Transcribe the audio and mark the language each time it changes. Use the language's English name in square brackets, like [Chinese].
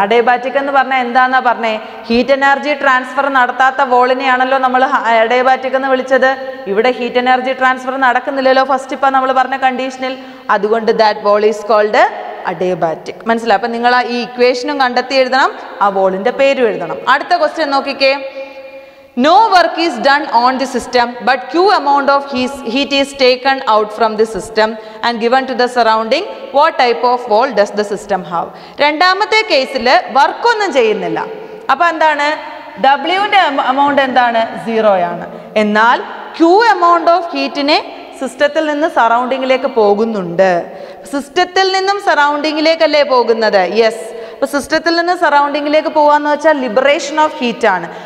[Malayalam] Adiabatic എന്ന് പറഞ്ഞാൽ എന്താന്നാ പറഞ്ഞേ? ഹീറ്റ് എനർജി ട്രാൻസ്ഫർ നടത്താത്ത വോളിനെയാണല്ലോ നമ്മൾ അഡയബാറ്റിക് എന്ന് വിളിച്ചത്. ഇവിടെ ഹീറ്റ് എനർജി ട്രാൻസ്ഫർ നടക്കുന്നില്ലല്ലോ ഫസ്റ്റ് ഇപ്പം നമ്മൾ പറഞ്ഞ കണ്ടീഷനിൽ. [English] അതുകൊണ്ട് that wall is called adiabatic. മനസ്സിലായി? [Malayalam] അപ്പം നിങ്ങൾ ആ ഈ ഇക്വേഷനും കണ്ടെത്തി എഴുതണം, ആ വോളിൻ്റെ പേരും എഴുതണം. അടുത്ത ക്വസ്റ്റ്യൻ നോക്കിക്കേ. [English] No work is done on the system, but Q amount of heat is taken out from the system and given to the surrounding. What type of wall does the system have? [Malayalam] രണ്ടാമത്തെ കേസില് work ഒന്നും ചെയ്യുന്നില്ല. അപ്പൊ എന്താണ് ഡബ്ല്യുവിന്റെ amount? എന്താണ്? സീറോയാണ്. എന്നാൽ Q amount of ഹീറ്റിനെ സിസ്റ്റത്തിൽ നിന്ന് സറൗണ്ടിങ്ങിലേക്ക് പോകുന്നുണ്ട്. സിസ്റ്റത്തിൽ നിന്നും സറൗണ്ടിങ്ങിലേക്കല്ലേ പോകുന്നത്? യെസ്. അപ്പൊ സിസ്റ്റത്തിൽ നിന്ന് സറൗണ്ടിങ്ങിലേക്ക് പോകാന്ന് വെച്ചാൽ ലിബറേഷൻ ഓഫ് ഹീറ്റ് ആണ്.